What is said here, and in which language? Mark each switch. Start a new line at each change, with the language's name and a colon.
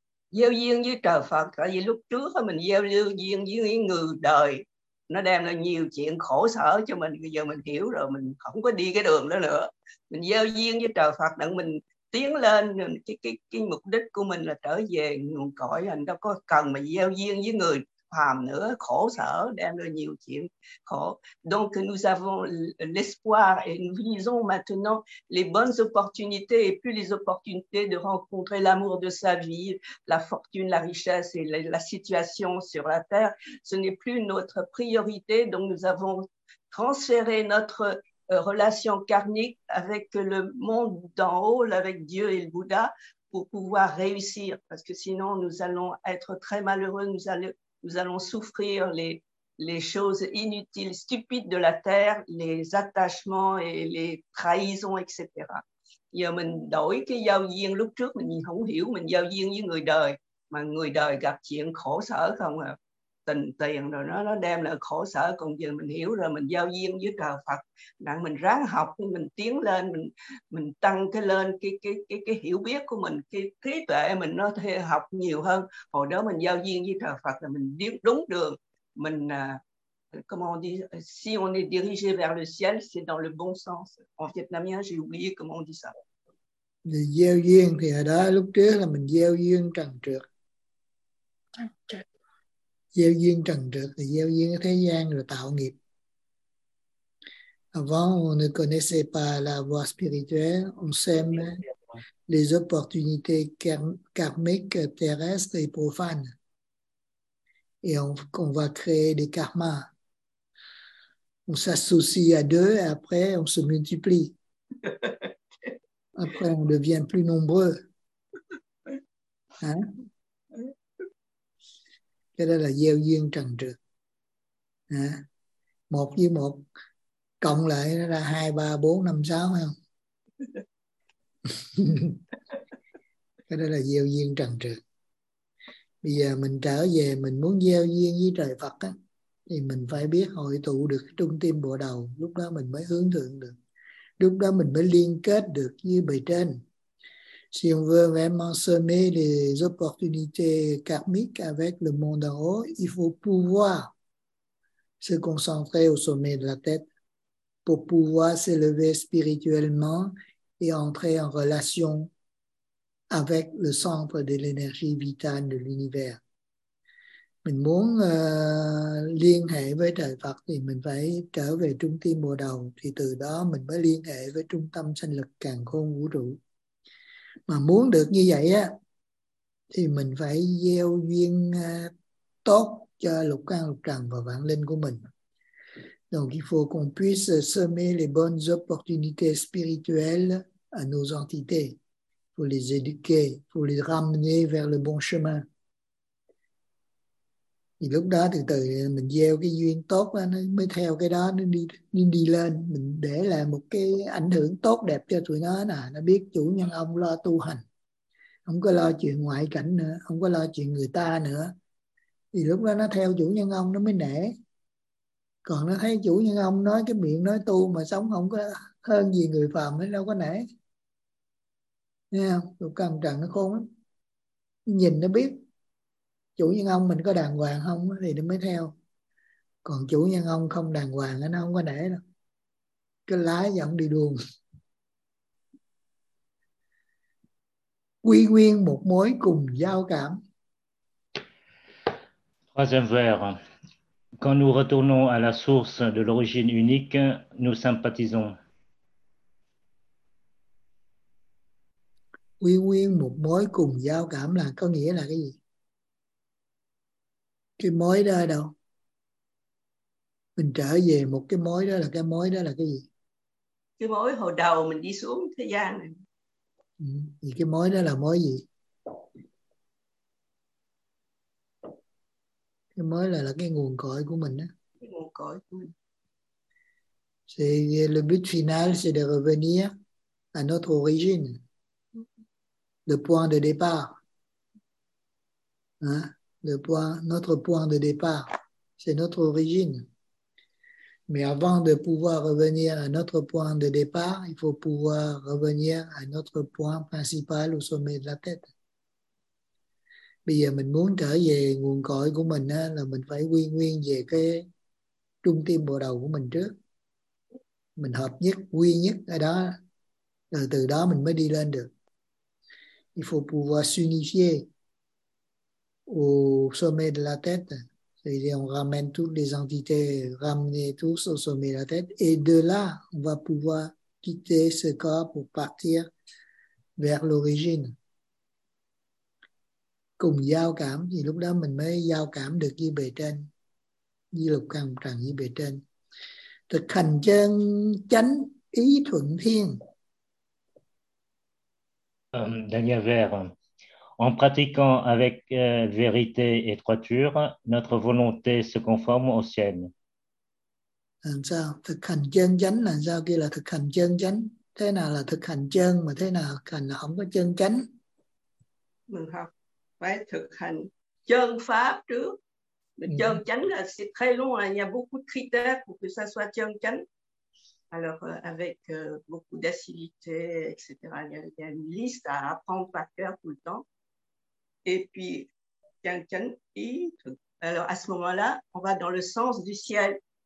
Vietnamese: Gieo duyên với trời Phật, tại vì lúc trước mình gieo duyên với người đời, nó đem lại nhiều chuyện khổ sở cho mình. Bây giờ mình hiểu rồi, mình không có đi cái đường đó nữa. Mình gieo duyên với trời Phật để mình tiến lên, cái mục đích của mình là trở về nguồn cội. Anh đâu có cần mà gieo duyên với người phàm nữa, khổ sở đem lại nhiều chuyện khổ.
French: Donc nous avons l'espoir et nous visons maintenant les bonnes opportunités et plus les opportunités de rencontrer l'amour de sa vie, la fortune, la richesse et la situation sur la terre. Ce n'est plus notre priorité, donc nous avons transféré notre relation karmique avec le monde d'en haut, avec Dieu et le Bouddha, pour pouvoir réussir, parce que sinon nous allons être très malheureux, nous allons souffrir les choses inutiles, stupides de la terre, les attachements et les trahisons, etc.
Vietnamese: Giờ mình đổi cái giao duyên, lúc trước mình không hiểu, mình giao duyên với người đời, mà người đời gặp chuyện khổ sở không à, tình tiền rồi nó đem lại khổ sở. Còn giờ mình hiểu rồi, mình giao duyên với trời Phật, rằng mình ráng học, mình tiến lên, mình tăng cái lên cái hiểu biết của mình, cái trí tuệ mình nó thể học nhiều hơn. Hồi đó mình giao duyên với trời Phật là mình đi đúng đường, mình
French: comment on dit, si on est dirigé vers le ciel, c'est dans le bon sens. En vietnamien, j'ai oublié comment on dit ça.
Vietnamese: Gieo duyên thì ở đó lúc trước là mình gieo duyên trần trược. Gieo duyên trần trược thì gieo duyên thế gian rồi tạo nghiệp.
French: Avant, on ne connaissait pas la voie spirituelle. On sème les opportunités karmiques, terrestres et profanes. Et on va créer des karmas. On s'associe à deux et après, on se multiplie. Après, on devient plus nombreux. Hein?
Vietnamese: Cái đó là gieo duyên trần trược. À, một với một cộng lại nó ra 2, 3, 4, 5, 6 phải không? Cái đó là gieo duyên trần trược. Bây giờ mình trở về, mình muốn gieo duyên với trời Phật á, thì mình phải biết hội tụ được trung tâm bộ đầu. Lúc đó mình mới hướng thượng được. Lúc đó mình mới liên kết được với bề trên.
French: Si on veut vraiment semer les opportunités karmiques avec le monde en haut, il faut pouvoir se concentrer au sommet de la tête pour pouvoir s'élever spirituellement et entrer en relation avec le centre de l'énergie vitale de l'univers.
Vietnamese: Mình muốn liên hệ với trời Phật thì mình phải trở về trung tâm bồ đầu, thì từ đó mình mới liên hệ với trung tâm sinh lực càn khôn vũ trụ. Mà muốn được như vậy á thì mình phải gieo duyên tốt cho lục căn lục trần và vạn linh của mình.
French: Donc il faut qu'on puisse semer les bonnes opportunités spirituelles à nos entités. Il faut les éduquer, il faut les ramener vers le bon chemin.
Vietnamese: Thì lúc đó từ từ mình gieo cái duyên tốt á, nó mới theo cái đó nó đi lên. Mình để lại một cái ảnh hưởng tốt đẹp cho tụi nó nè. Nó biết chủ nhân ông lo tu hành, không có lo chuyện ngoại cảnh nữa, không có lo chuyện người ta nữa. Thì lúc đó nó theo chủ nhân ông nó mới nể. Còn nó thấy chủ nhân ông nói cái miệng nói tu mà sống không có hơn gì người phàm, nó đâu có nể. Nghe không? Lục căn trần nó khôn lắm. Nhìn nó biết chủ nhân ông mình có đàng hoàng không thì nó mới theo. Còn chủ nhân ông không đàng hoàng, nó không có để đâu. Cứ lái giọng đi đường. Quy nguyên một mối cùng giao cảm.
French: Troisième vers. Quand nous retournons à la source de l'origine unique, nous sympathisons.
Vietnamese: Quy nguyên một mối cùng giao cảm là có nghĩa là cái gì? Cái mối đó ở đâu? Mình trở về một cái mối đó là cái mối đó là cái gì? Cái mối hồi đầu mình đi xuống thế gian này. Thì cái mối đó là mối gì? Cái mối là cái nguồn cội của mình đó. Cái nguồn cội của mình.
French: C'est le but final, c'est de revenir à notre origine. Le point de départ. Hein? Le point, notre point de départ, c'est notre origine. Mais avant de pouvoir revenir à notre point de départ, il faut pouvoir revenir à notre point principal au sommet de la tête.
Vietnamese: bây giờ mình muốn trở về nguồn cội của mình á, là mình phải quy nguyên về cái trung tâm bộ đầu của mình trước, mình hợp nhất quy nhất ở đó, rồi từ đó mình mới đi lên được.
French: Il faut pouvoir s'unifier au sommet de la tête, c'est-à-dire on ramène toutes les entités, ramener tous au sommet de la tête, et de là on va pouvoir quitter ce corps pour partir vers l'origine.
Vietnamese: Cùng giao cảm thì lúc đó mình mới giao cảm được như bề trên, như lục căn trần như bề trên. Thực hành chân chánh ý thuận thiên.
French: Dernier vers. En pratiquant avec vérité et droiture, notre volonté se conforme aux siennes.
Vietnamese: Làm sao? Thực hành chân chánh là sao? Kia là thực hành chân chánh. Thế nào là thực hành chân mà thế nào hành là không có chân chánh? Mình học phải thực hành chân pháp trước. Chân chánh là
French: c'est très long, il y a beaucoup de critères pour que ça soit chân chánh. Alors, avec beaucoup d'assiduité, etc. Il y a une liste à apprendre par cœur tout le temps. Et puis, alors à ce moment-là, on va dans le sens du ciel.